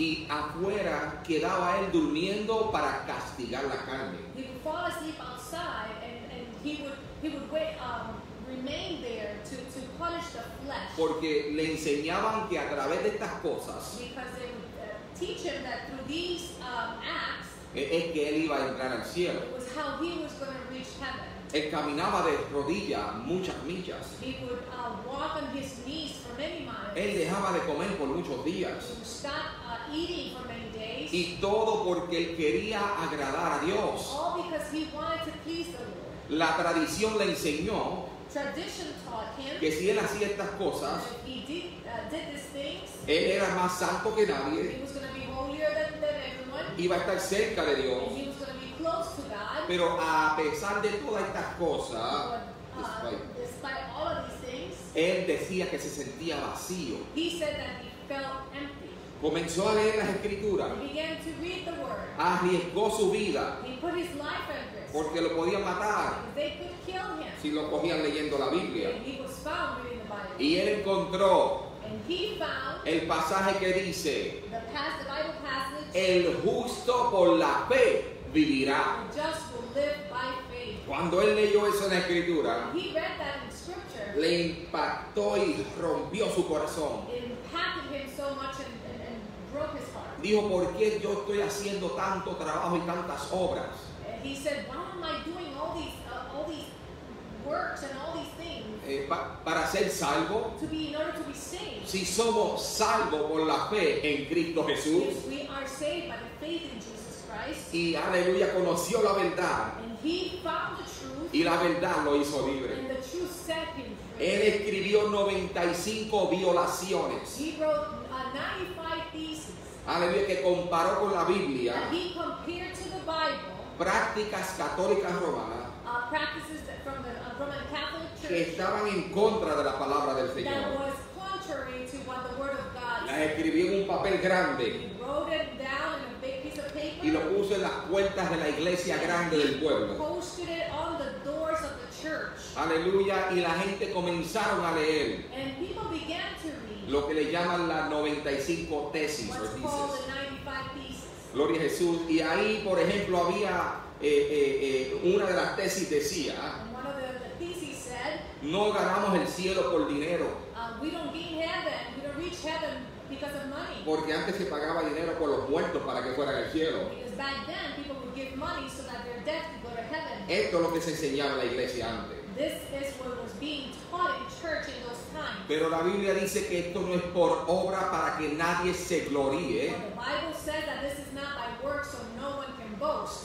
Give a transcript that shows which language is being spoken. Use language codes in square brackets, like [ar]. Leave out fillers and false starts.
[es] Y afuera quedaba él durmiendo para castigar la carne. [en] He would fall asleep outside and he would remain there to punish the flesh. [es] Porque le enseñaban que a través de estas cosas, [en] because they would teach him that through these acts, [es] es que él iba a entrar al cielo. [en] It was how he was going to reach heaven. [es] Él caminaba de rodillas muchas millas. [en] He would walk on his knees for many miles. [es] Él dejaba de comer por muchos días. [en] He would stop eating for many days. [es] Y todo porque él quería agradar a Dios. [en] All because he wanted to please the Lord. [es] La tradición le enseñó, [en] tradition taught him, [es] que si él hacía estas cosas, [en] he did these things, [es] él era más santo que nadie, [en] he was going to be holier than everyone, [es] iba a estar cerca de Dios. [en] And he was going to be close to God. [es] Pero a pesar de todas estas cosas, [en] despite all of these things, [es] él decía que se sentía vacío. [en] He said that he felt empty. [es] Comenzó a leer las escrituras. [en] He began to read the word. [es] Arriesgó su vida. [en] He put his life at risk. [es] Porque lo podían matar. [en] They could kill him. [es] Si lo cogían leyendo la Biblia. [en] And he was found reading the Bible. [es] Y él encontró. [en] And he found [es] el pasaje que dice. [en] The Bible passage. [es] El justo por la fe vivirá. [en] The just will live by faith. [es] Cuando él leyó eso en la escritura. [en] He read that in scripture. [es] Le impactó y rompió su corazón. [en] Impacted him so much in. [es] Dijo, ¿por qué yo estoy haciendo tanto trabajo y tantas obras? [en] He said, why am I doing all these works and all these things? [es] Para ser salvo. [en] In order to be saved. [es] Si somos salvos por la fe en Cristo Jesús. [en] If we are saved by the faith in Jesus Christ. [es] Y aleluya, conoció la verdad. [en] And he found the truth. [es] Y la verdad lo hizo libre. [en] And the truth set him free. [es] Él escribió 95 violaciones. [en] He wrote 95 theses. [es] Aleluya, que comparó con la Biblia. [en] He compared to the Bible. [es] Prácticas católicas romanas. [en] Practices from the Roman Catholic Church. [es] Que estaban en contra de la palabra del Señor. [en] That was contrary to what the word of God. [es] Las escribió en un papel grande. [en] He wrote it down in a big piece of paper. [es] Y lo puso en las puertas de la iglesia grande del pueblo. [en] He posted it on the doors of the church. [es] Aleluya, y la gente comenzaron a leer. [en] And people began to read. [es] Lo que le llaman las 95 tesis. [en] What's called the 95 thesis. [es] Gloria a Jesús. Y ahí, por ejemplo, había una de las tesis decía. [en] One of the thesis said, [es] no ganamos el cielo por dinero. [en] We don't gain heaven. We don't reach heaven because of money. [es] Porque antes se pagaba dinero por los muertos para que fueran al cielo. [en] Because back then people would give money so that their death could go to heaven. [es] Esto es lo que se enseñaba en la iglesia antes. [en] This is what was being taught in church in those times. [es] Pero la Biblia dice que esto no es por obra para que nadie se gloríe. [en] The Bible says that this is not by works so no one can boast.